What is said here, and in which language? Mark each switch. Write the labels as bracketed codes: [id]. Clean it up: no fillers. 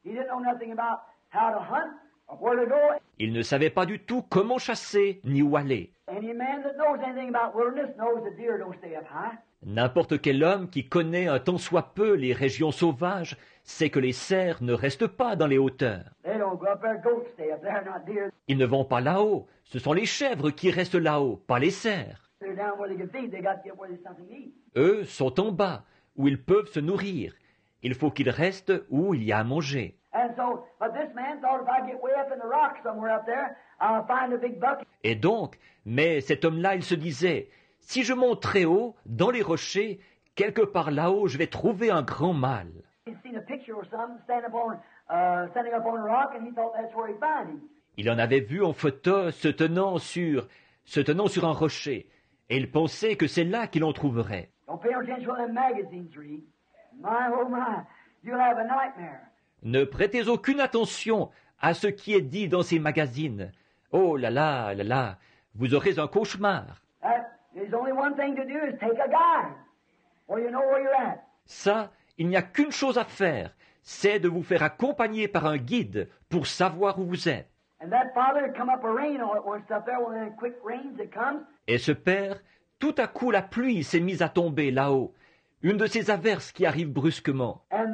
[en] He didn't know nothing about how to hunt or where to go. [fr] Il ne savait pas du tout comment chasser ni où aller. [en] Any man that knows anything about wilderness knows the deer don't stay up high. [fr] N'importe quel homme qui connaît un tant soit peu les régions sauvages sait que les cerfs ne restent pas dans les hauteurs. [en] They don't go up there, goats stay up there, not deer. [fr] Ils ne vont pas là-haut, ce sont les chèvres qui restent là-haut, pas les cerfs. [en] They're down where they can feed. They got to get where there's something to eat. [fr] Eux sont en bas, où ils peuvent se nourrir. Il faut qu'ils restent où il y a à manger. [en] And so, but this man thought if I get way up in the rocks somewhere up there, I'll find a big buck. [fr] Et donc, mais cet homme-là, il se disait, si je monte très haut, dans les rochers, quelque part là-haut, je vais trouver un grand mâle. [en] He'd seen a picture or something standing up on a rock, and he thought that's where he'd find him. [fr] Il en avait vu en photo, se tenant sur un rocher. Et il pensait que c'est là qu'il en trouverait. [en] Don't pay attention to the magazines, Reed. My, oh my, you'll have a nightmare. [fr] Ne prêtez aucune attention à ce qui est dit dans ces magazines. Oh là là, là là, vous aurez un cauchemar. [en] There's only one thing to do is take a guide. Or you know where you're at. [fr] Ça, il n'y a qu'une chose à faire, c'est de vous faire accompagner par un guide pour savoir où vous êtes. [en] And that father come up a rain all at once up there, well then quick rains it comes. [fr] Et ce père, tout à coup la pluie s'est mise à tomber là-haut. Une de ces averses qui arrivent brusquement.